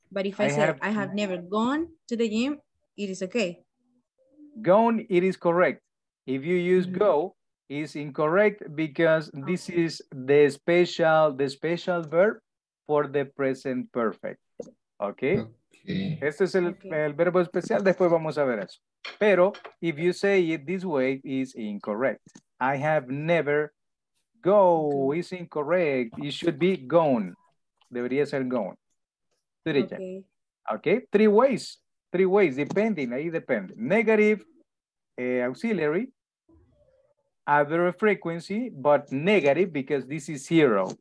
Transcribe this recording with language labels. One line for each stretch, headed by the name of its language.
English: But if I say, I have never gone to the gym, it is okay. Gone, it is correct. If you use go, it's incorrect because this is the special verb for the present perfect. Okay? Okay.
Spanish: Este es el verbo especial, después vamos a ver eso.
English: Pero if you say it this way, it's incorrect. I have never go, it's incorrect. It should be gone.
Spanish: Debería ser gone.
English: Okay. Okay? Three ways, depending,
Spanish: ahí depende.
English: Negative, auxiliary, adverb frequency, but negative because this is zero.